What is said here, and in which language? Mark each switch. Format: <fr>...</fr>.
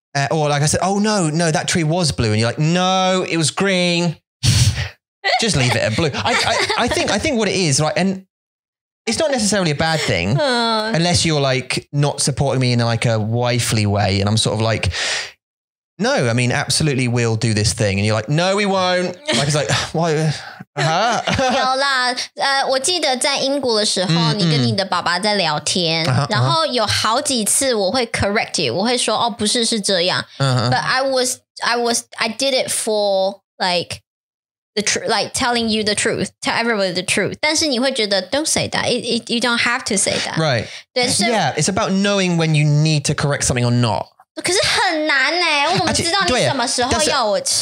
<en>Or like I said, oh no, that tree was blue. And you're like, no, it was green. Just leave it at blue. I think what it is, right? And it's not necessarily a bad thing unless you're like not supporting me in like a wifely way. And I'm sort of like, no, I mean, absolutely we'll do this thing. And you're like, no, we won't. Like, it's like, why? Uh-huh.</en> <zh>有啦, 我记得在英国的时候, 你跟你的爸爸在聊天, uh-huh. 然后有好几次我会</zh> <en>correct you,</en> <zh>我会说, 哦, 不是这样, uh-huh.</zh> <en>But I did it for like, like telling you the truth, tell everybody the truth.</en> <zh>但是你会觉得,</zh> <en>don't say that. You don't have to say that. Right.</en> <zh>对,</zh> <en>yeah, it's about knowing when you need to correct something or not.</en> <zh>可是很难欸, 我们知道你什么时候要我...</zh>